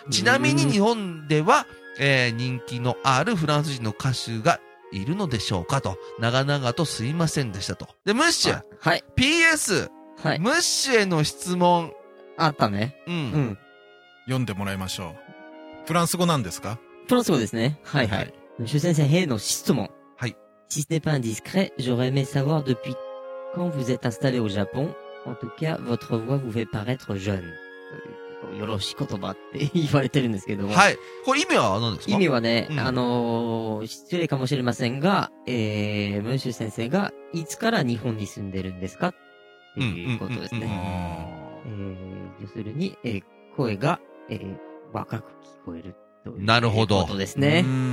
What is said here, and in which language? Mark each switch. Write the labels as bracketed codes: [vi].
[ja] ちなみに日本では人気のあるフランス人の歌手がいるのでしょうかと、長々とすいませんでしたと。で、ムッシュ。はい。 PS。はい。ムッシュへの質問。あったね。うん。うん。読んでもらいましょう。フランス語なんですか？フランス語ですね。はいはい。ムッシュ先生への質問。はい。 [fr] Si ce n'est pas indiscret, j'aurais aimé savoir depuis quand vous êtes installé au Japon. En tout cas, votre voix vous fait paraître jeune. [ja] よろしい言葉って言われてるんですけども。はい。これ意味は何ですか？意味はね、うん、失礼かもしれませんが、ムンシュ先生がいつから日本に住んでるんですかっていうことですね。要するに、声が、若く聞こえるということですね。